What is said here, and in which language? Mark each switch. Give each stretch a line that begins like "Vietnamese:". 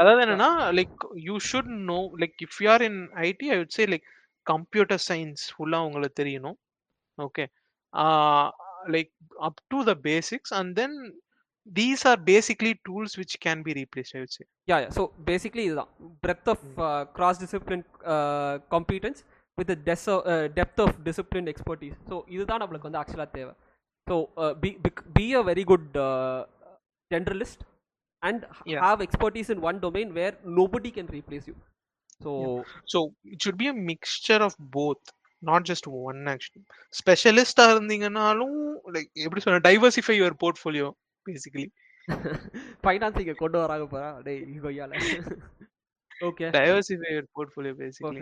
Tamil: அதாவது என்னன்னா
English: like you should know like if you are in IT
Tamil: I would say like computer science ஃபுல்லாக உங்களுக்கு தெரியணும்.
English: Okay, like up to the basics and then these are basically tools which can be replaced, I would say. Yeah, so basically the breadth of cross discipline competence with the depth of discipline expertise.
Tamil: So idu dhaan nammalku vandu actually theva.
English: So be a very good generalist and yeah. have expertise in one domain where nobody can replace you. So so it should be a mixture of both, not just one.
Tamil: Actually ஸ்பெஷலிஸ்டா இருந்தீங்கன்னாலும் like எப்படி சொல்ற,
English: Diversify your portfolio basically.
Tamil: ஃபைனான்சிங்க கொண்டு வராங்க போறா டேய் கொய்யால.
English: okay diversify your portfolio basically,